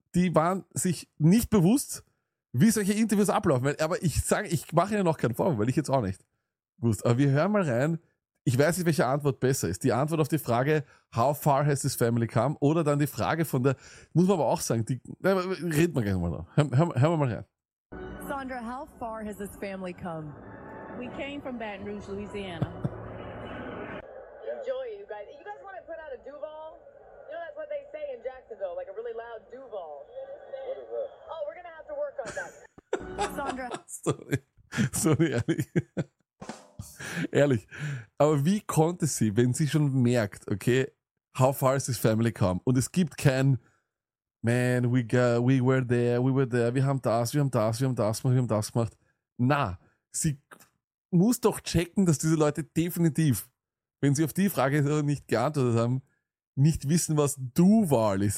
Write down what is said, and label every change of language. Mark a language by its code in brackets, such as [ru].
[de] die waren sich nicht bewusst, wie solche Interviews ablaufen. Aber ich sage, ich mache ihnen noch keinen Vorwurf, weil ich jetzt auch nicht wusste. Aber wir hören mal rein. Ich weiß nicht, welche Antwort besser ist. Die Antwort auf die Frage, [en] how far has this family come? [de] Oder dann die Frage von der, muss man aber auch sagen, die, reden wir gleich mal noch. Hören wir mal rein. [en] Sandra, how far has this family come? We came from Baton Rouge, Louisiana. Enjoy it, you guys. You guys want to put out a Duval? You know, that's what they say in Jacksonville, like a really loud Duval. What is that? Oh, we're going to have to work on that. Sandra. Sorry. Sorry, [de] ehrlich. Ehrlich. Aber wie konnte sie, wenn sie schon merkt, okay, [en] how far is this family come? [de] Und es gibt kein... [en] Man, we were there, [de] wir haben das gemacht. Na, sie muss doch checken, dass diese Leute definitiv, wenn sie auf die Frage nicht geantwortet haben, nicht wissen, was Duval ist.